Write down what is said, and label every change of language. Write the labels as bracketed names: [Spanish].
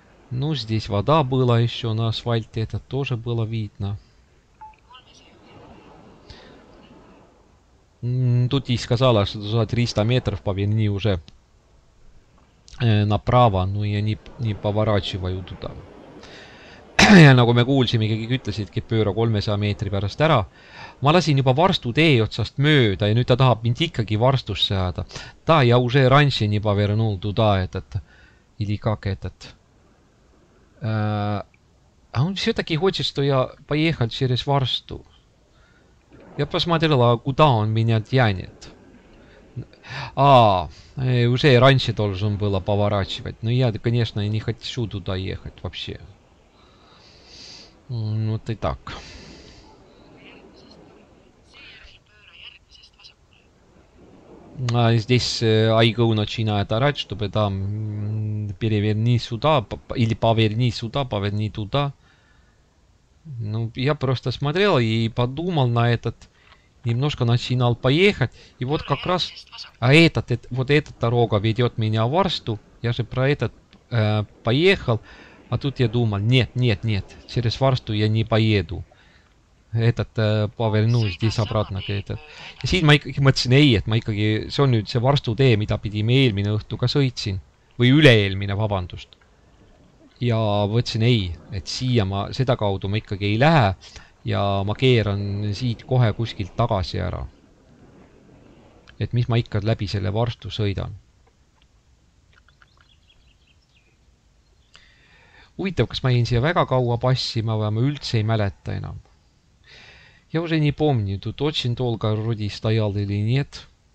[Russian] Ну, здесь вода была еще на асфальте, это тоже было видно. Тут и сказала, что за 300 метров поверни уже направо, но я не поворачиваю туда. [Estonian] Ja nagu me kuulsime, kõik ütlesidki, pööra 300 meetri pärast ära. Ma lasin juba varstu tee otsast mööda ja nüüd ta tahab mind ikkagi varstusse ajada. [Russian] Ta ja уже раньше не повернул туда этот, или как этот. А он все-таки хочет, что я поехал через варсту. Я посмотрела, куда он меня тянет. А, уже раньше должен было поворачивать. Но я, конечно, не хочу туда ехать вообще. Ну, вот и так. А здесь Айгу начинает орать, чтобы там переверни сюда, или поверни сюда, поверни туда. Ну, я просто смотрел и подумал на этот, немножко начинал поехать, и вот как раз, а вот эта дорога ведет меня в Варсту, я же про этот поехал, а тут я думал, нет, нет, нет, через Варсту я не поеду. Этот поверну здесь обратно к этому. [Estonian] Ja siin ma ikkagi mõtlesin, ei, et ma ikkagi, see on nüüd see Varstu tee, mida pidi me eelmine õhtu ka sõitsin. Või üleeelmine, vabandust. Ja võtsin ei, et siia ma, seda kaudu ma ikkagi ei lähe. Ja ma keeran siit kohe kuskilt tagasi ära. Et mis ma ikka läbi selle Varstu sõidan. Huvitav, kas ma jäin siia väga kaua passima või ma üldse ei mäleta enam. [Russian] Я уже не помню, тут очень долго вроде стоял или нет.